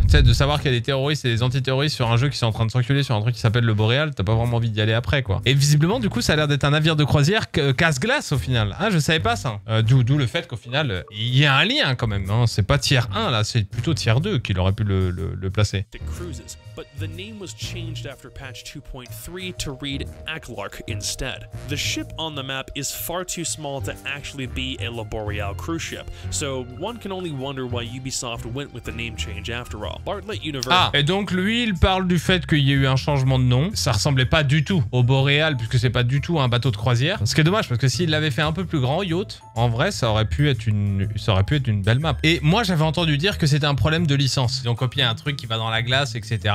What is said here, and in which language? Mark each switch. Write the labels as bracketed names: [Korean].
[French] Tu sais, de savoir qu'il y a des terroristes et des antiterroristes sur un jeu qui sont en train de s'enculer sur un truc qui s'appelle le boréal, t'as pas vraiment envie d'y aller après quoi. Et visiblement du coup ça a l'air d'être un navire de croisière casse-glace au final. Hein, je savais pas ça. D'où le fait qu'au final, il y a un lien quand même. Hein. C'est pas tiers 1 là, c'est plutôt tiers 2 qu'il aurait pu le placer. [English] But the name was changed after patch 2.3 to read Aklark instead. The ship on the map is far too small to actually be a Laboreal cruise ship, so one can only wonder why Ubisoft went with the name change after all. Bartlett University. [French] Ah, et donc lui, il parle du fait qu'il y a eu un changement de nom. Ça ressemblait pas du tout au Boreal, puisque c'est pas du tout un bateau de croisière. Ce qui est dommage, parce que s'il l'avait fait un peu plus grand, yacht, en vrai, ça aurait pu être une belle map. Et moi, j'avais entendu dire que c'était un problème de licence. Ils ont copié un truc qui va dans la glace, etc.